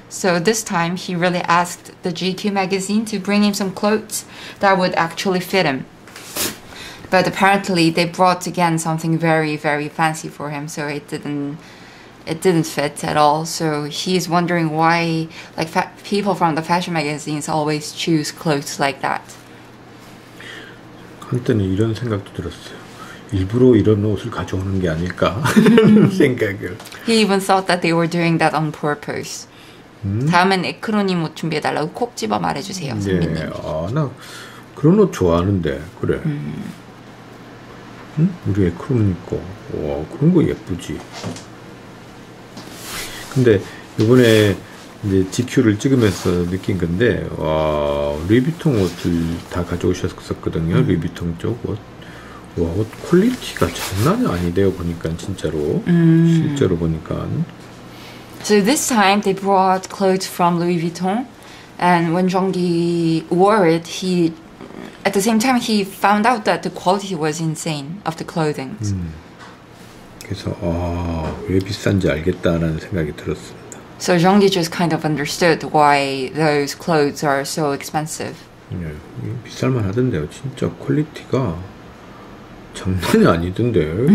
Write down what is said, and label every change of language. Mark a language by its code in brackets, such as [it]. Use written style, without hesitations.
[en] So this time he really asked the GQ magazine to bring him some clothes that would actually fit him. But apparently they brought again something very, very fancy for him, so it didn't fit at all. So he is wondering why like people from the fashion magazines always choose clothes like that. [ko] 한때는 이런 생각도 들었어요. 일부러 이런 옷을 가져오는 게 아닐까 생각을. [en] He even thought that they were doing that on purpose. [ko] 다음엔 에크로님 옷 준비해달라고 콕 집어 말해주세요, 네. 선배님. 아, 나 그런 옷 좋아하는데, 그래. 우리 에크로님 거. 와, 그런 거 예쁘지. 근데 이번에 이제 GQ를 찍으면서 느낀 건데, 와, 루이비통 옷을 다 가져오셨었거든요, 루이비통 쪽 옷. 와, 옷 퀄리티가 장난이 아니대요, 보니까 진짜로. 실제로 보니까. [en] So this time they brought clothes from Louis Vuitton, and when Zhonggi wore it, at the same time he found out that the quality was insane of the clothing. [ko] 그래서 아, 왜 비싼지 알겠다라는 생각이 들었습니다. [en] So Zhonggi just kind of understood why those clothes are so expensive. [ko] 예, 비쌀만 하던데요. 진짜 퀄리티가 장난이 아니던데.